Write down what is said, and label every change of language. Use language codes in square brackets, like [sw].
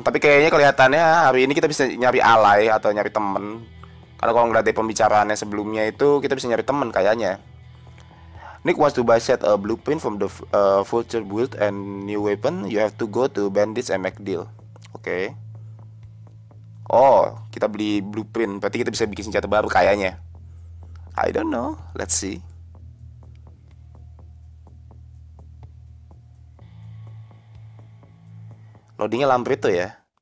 [id] Tapi kayaknya kelihatannya hari ini kita bisa nyari alay atau nyari temen. Karena kalau ngeliat dari pembicaraannya sebelumnya itu, kita bisa nyari temen kayaknya. [en] Nick wants to buy set a blueprint from the future build and new weapon. You have to go to bandits and make deal. [id] Oke. Oh, kita beli blueprint. Berarti kita bisa bikin senjata baru kayaknya. [en] I don't know. Let's see. [id] Loadingnya lampir itu ya.